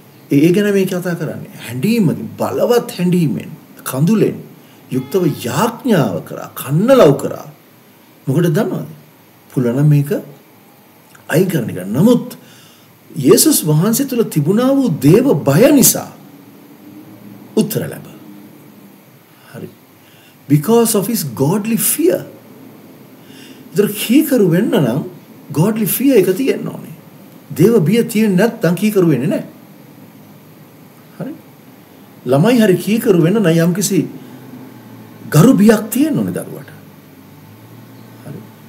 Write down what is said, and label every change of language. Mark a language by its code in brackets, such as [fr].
[si] ඒ ගැන මේ කතා කරන්නේ හැඬීමකින් බලවත් හැඬීමෙන් කඳුලෙන් යුක්තව යාඥාව කරා කන්නලව් කරා මොකටද දන්නවද? පුළුවන් නම් මේක අයින් කරන්න ගන්න. නමුත් යේසුස් වහන්සේ තුල තිබුණා වූ දේව බය නිසා උත්තර ලැබ. හරි. [en] Because of his godly fear. [si] ඉතින් කීකරු වෙන්න නම් godly fear එක තියෙන්න ඕනේ. දේව බිය තියෙන්නේ නැත්නම් කීකරු වෙන්නේ නැහැ. හරි. ළමයි හරි කීකරු වෙන්න නම් යම්කිසි ගරු බියක් තියෙන්න ඕනේ දරුවට. හරි.